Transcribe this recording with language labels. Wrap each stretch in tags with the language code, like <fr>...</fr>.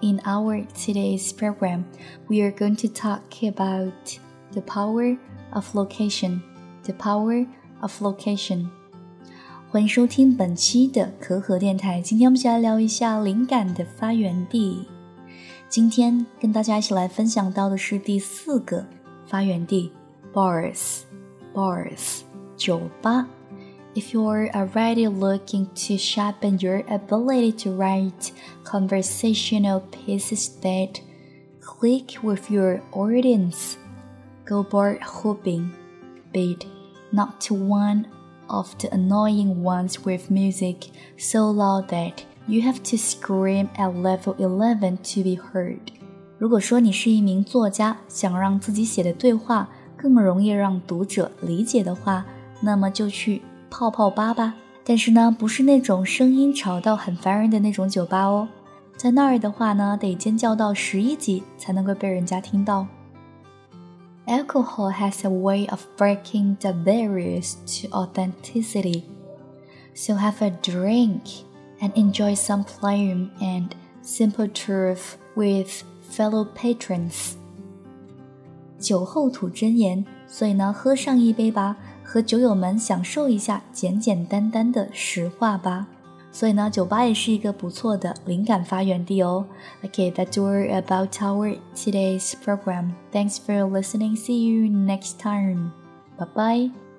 <en>In our today's program, we are going to talk about the power of location. The power of location.</en> <zh>欢迎收听本期的可可电台。今天我们来聊一下灵感的发源地。今天跟大家一起来分享到的是第四个发源地 ,bars, 酒吧。</zh> <en>If you're already looking to sharpen your ability to write conversational pieces that click with your audience, go bar hopping, but not to one of the annoying ones with music so loud that you have to scream at level 11 to be heard.</en> <zh>如果说你是一名作家，想让自己写的对话更容易让读者理解的话，那么就去泡泡吧吧，但是呢，不是那种声音吵到很烦人的那种酒吧哦。在那儿的话呢，得尖叫到11级才能够被人家听到。</zh> <en>Alcohol has a way of breaking the barriers to authenticity. So have a drink and enjoy some playing and simple truth with fellow patrons.</en> <zh>酒后吐真言，所以呢，喝上一杯吧。和酒友们享受一下简简单单的实话吧。所以呢，酒吧也是一个不错的灵感发源地哦。</zh> <en>Okay, that's all about our today's program. Thanks for listening. See you next time. Bye-bye.</en>